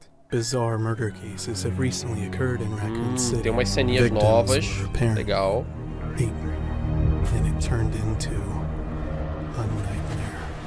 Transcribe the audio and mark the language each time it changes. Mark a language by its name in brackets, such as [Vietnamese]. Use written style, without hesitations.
[English] Bizarre murder cases have recently occurred in Raccoon City. [Portuguese] Tem umas ceninhas novas, legal. [English] And it turned into a nightmare.